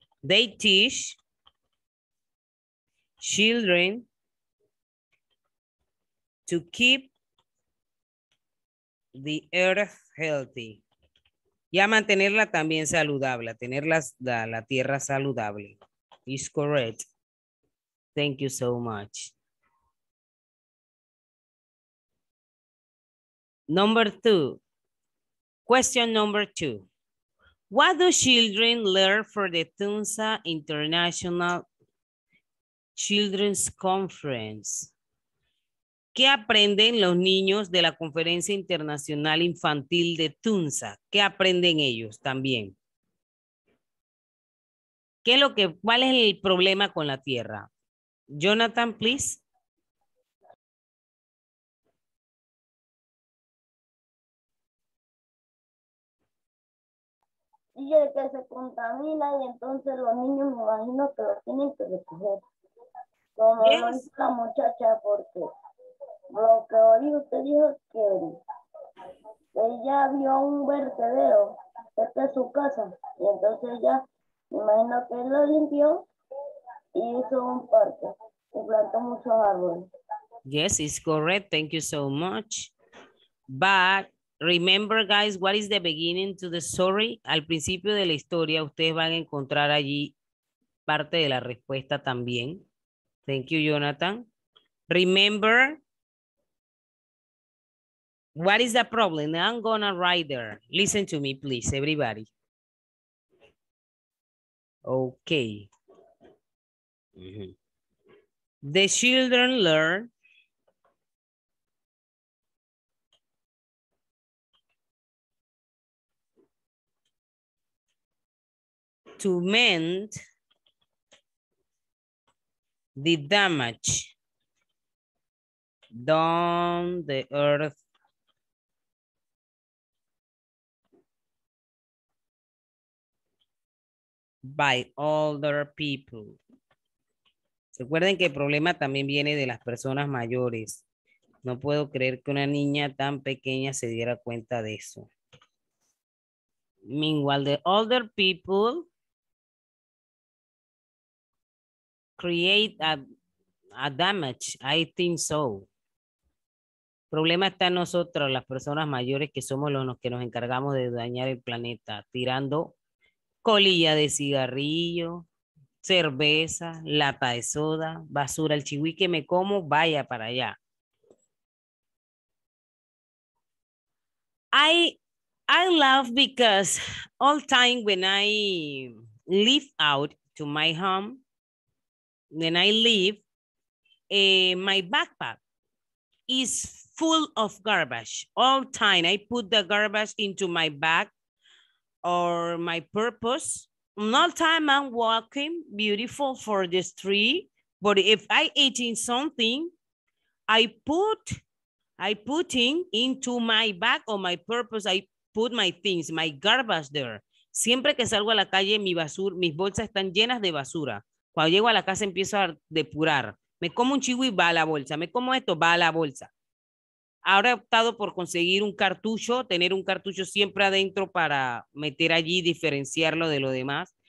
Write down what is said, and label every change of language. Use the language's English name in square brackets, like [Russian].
[English] They teach children to keep the earth healthy. [Spanish] Y a mantenerla también saludable, a tener la tierra saludable. [English] It's correct. Thank you so much. Number two. Question number two. What do children learn for the Tunza International Children's Conference? [Spanish] ¿Qué aprenden los niños de la Conferencia Internacional Infantil de Tunza? ¿Qué aprenden ellos también? ¿Qué es lo que, cuál es el problema con la tierra? [English] Jonathan, please. [Spanish] Y el que se contamina, y entonces los niños me imagino que lo tienen que recoger. Como lo dice la muchacha, porque lo que hoy usted dijo es que ella vio un vertedero cerca de su casa, y entonces ella, me imagino que él lo limpió y hizo un parque y plantó muchos árboles. [English] Yes, it's correct. Thank you so much. But remember, guys, what is the beginning to the story? [Spanish] Al principio de la historia, ustedes van a encontrar allí parte de la respuesta también. [English] Thank you, Jonathan. Remember, what is the problem? I'm gonna write there. Listen to me, please, everybody. Okay. Mm-hmm. The children learn to mend the damage done the earth by older people. [Spanish] Recuerden que el problema también viene de las personas mayores. No puedo creer que una niña tan pequeña se diera cuenta de eso. [English] Meanwhile, the older people create a damage, I think so. [Spanish] Problema está en nosotros, las personas mayores, que somos los que nos encargamos de dañar el planeta, tirando colillas de cigarrillo, cerveza, lata de soda, basura, el chihuí que me como, vaya para allá. [English] I love because all time when I leave out to my home, when I leave, my backpack is full of garbage all time. I put the garbage into my bag or my purpose Not time I'm walking beautiful for the street, but if I eat in something, I put in into my bag or my purpose, I put my things, my garbage there. [Spanish] Siempre que salgo a la calle, mis bolsas están llenas de basura. Cuando llego a la casa, empiezo a depurar. Me como un chihui, va a la bolsa. Me como esto, va a la bolsa. Ahora he optado por conseguir un cartucho, tener un cartucho siempre adentro para meter allí, diferenciarlo de lo demás.